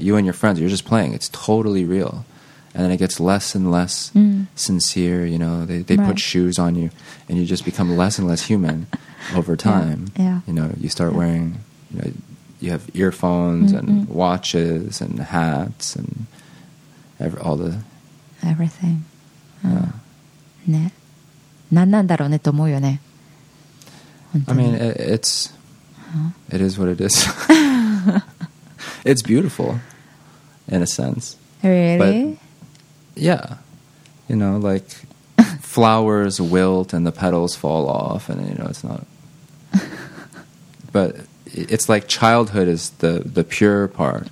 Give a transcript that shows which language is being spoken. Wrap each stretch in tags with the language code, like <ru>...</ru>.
<en>You and your friends, you're just playing. It's totally real. And then it gets less and less sincere, you know. They put shoes on you, and you just become less and less human over time. Yeah. You know, you start wearing, you know, you have earphones and watches and hats and everything.</en> <ja>ね。何なんだろうねと思うよね。</ja> <en>I mean, it's it is what it is. It's beautiful in a sense. Really? But, yeah. You know, like flowers wilt and the petals fall off, and you know, it's not but it's like childhood is the pure part.</en>